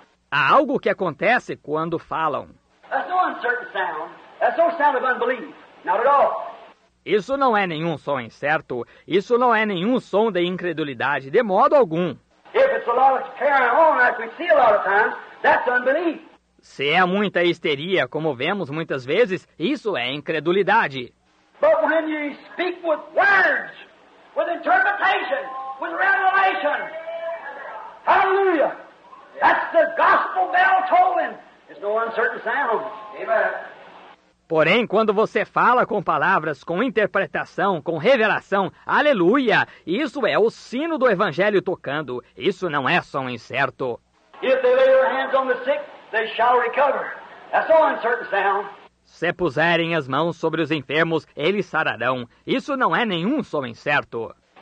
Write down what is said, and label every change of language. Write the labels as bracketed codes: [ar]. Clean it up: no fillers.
[pt] Há algo que acontece quando falam. [en] That's no uncertain sound. That's no sound of unbelief. Not at all. [pt] Isso não é nenhum som incerto. Isso não é nenhum som de incredulidade, de modo algum. [en] If it's a lot of carrying on, like we see a lot of times, that's unbelief. [pt] Se é muita histeria, como vemos muitas vezes, isso é incredulidade. [en] But when you speak with words, with interpretation, with revelation, hallelujah, that's the gospel bell tolling. It's no uncertain sound. Amen. [pt] Porém, quando você fala com palavras, com interpretação, com revelação, aleluia, isso é o sino do evangelho tocando. Isso não é som incerto. [en] If they lay their hands on the sick, they shall recover. That's no uncertain sound. [pt] Se puserem as mãos sobre os enfermos, eles sararão. Isso não é nenhum som incerto.